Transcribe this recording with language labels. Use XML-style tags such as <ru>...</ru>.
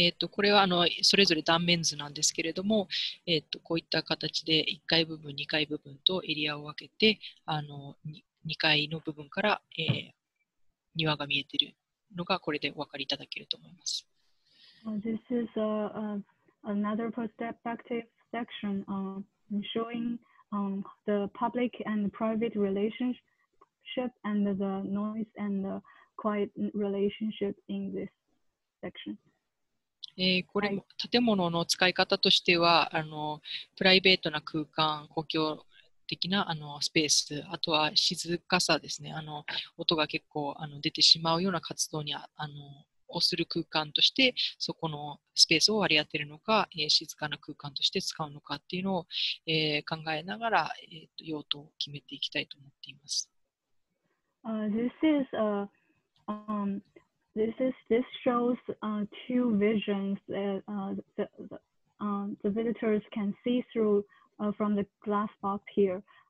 <ja>これはあのそれぞれ断面図なんですけれども、こういった形で1階部分、2階部分とエリアを分けて、あの2階の部分から、庭が見えているのがこれでお分かりいただけると思います。</ja> <en>This is another perspective section showing the public and private relationship and the noise and the quiet relationship in this section.</en> <ja>これも建物の使い方としてはあのプライベートな空間、公共的なあのスペース、あとは静かさですね、あの音が結構あの出てしまうような活動にあのをする空間としてそこのスペースを割り当てるのか、静かな空間として使うのかっていうのを、考えながら、用途を決めていきたいと思っています。</ja> <en>This is a、This shows two visions that the visitors can see through from the glass box here.</en>